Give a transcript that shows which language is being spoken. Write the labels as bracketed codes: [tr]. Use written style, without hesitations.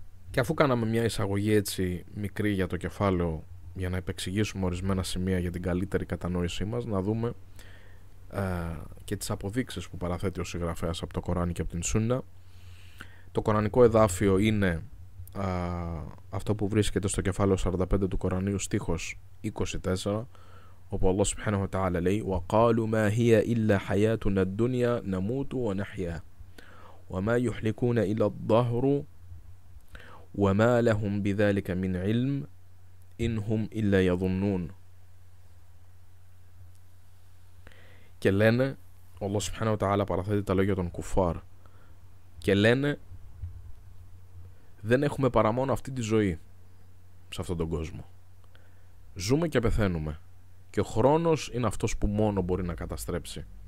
[el] Και αφού κάναμε μια εισαγωγή έτσι μικρή για το κεφάλαιο, για να επεξηγήσουμε ορισμένα σημεία για την καλύτερη κατανόησή μας, να δούμε και τις αποδείξεις που παραθέτει ο συγγραφέας από το Κοράνι και από την Σούνα. Το κορανικό εδάφιο είναι αυτό που βρίσκεται στο κεφάλαιο 45 του Κορανίου, στίχος 24, όπου ο Αλλάχ Σουμπχάναχου Βα Τα'άλα λέει [ar] وَقَالُوا مَا هِيَ إِلَّا حَيَاتُنَا الدُّنْيَا نَمُوتُ وَنَحْيَا وَمَا يُحْلِكُونَ إِلَّا الدَّهْرُ وَمَا لَهُمْ بِذَلِكَ مِنْ عِلْمٍ إِنْ هُمْ إِلَّا يَظُنُّونَ. [el] Και λένε, ο Αλλάχ Σουμπχάναχου Βα Τα'άλα παραθέτει τα λόγια των κουφάρ και λένε, δεν έχουμε παρά μόνο αυτή τη ζωή σε αυτόν τον κόσμο. Ζούμε και πεθαίνουμε. Και ο χρόνος είναι αυτός που μόνο μπορεί να καταστρέψει.